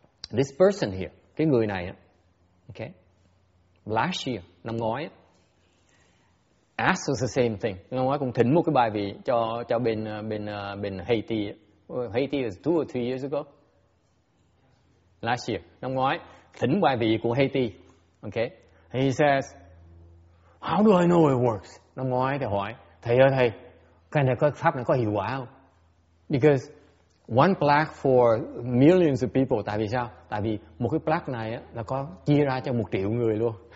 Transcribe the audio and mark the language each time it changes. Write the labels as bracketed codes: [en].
[en] This person here, [vi] cái người này, [en] okay, last year, [vi] năm ngoái, [en] asked the same thing. [vi] Năm ngoái cũng thỉnh một cái bài vị cho bên bên bên Haiti. [en] Haiti was 2 or 3 years ago. Last year, [vi] năm ngoái, thỉnh bài vị của Haiti. [en] Okay, he says, how do I know it works? [vi] Năm ngoái thầy hỏi, thầy ơi thầy, cái này có pháp này có hiệu quả không? [en] Because one plaque for millions of people. [vi] Tại vì sao? Tại vì một cái plaque này là có chia ra cho 1 triệu người luôn.